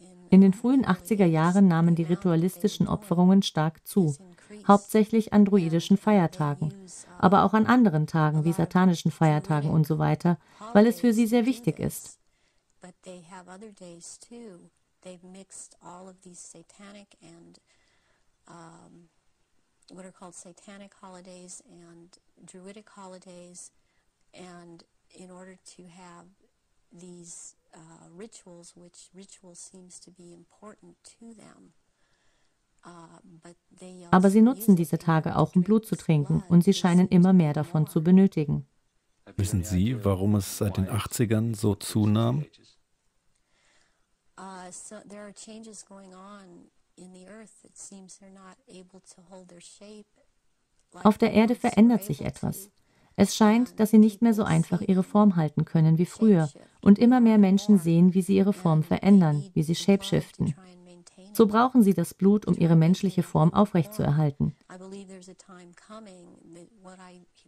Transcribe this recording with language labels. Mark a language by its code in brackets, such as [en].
[de] In den frühen 80er Jahren nahmen die ritualistischen Opferungen stark zu, hauptsächlich an druidischen Feiertagen, aber auch an anderen Tagen wie satanischen Feiertagen und so weiter, weil es für sie sehr wichtig ist. [en] But they have other days too. They've mixed all of these satanic and what are called satanic holidays and druidic holidays, and in order to have these rituals, which ritual seems to be important to them. [de] Aber sie nutzen diese Tage auch, um Blut zu trinken, und sie scheinen immer mehr davon zu benötigen. Wissen Sie, warum es seit den 80ern so zunahm? [en] So there are changes going on in the earth. It seems they're not able to hold their shape. [de] Auf der Erde verändert sich etwas. Es scheint, dass sie nicht mehr so einfach ihre Form halten können wie früher, und immer mehr Menschen sehen, wie sie ihre Form verändern, wie sie shapeshiften. So brauchen sie das Blut, um ihre menschliche Form aufrechtzuerhalten. [en] I believe there's a time coming that what I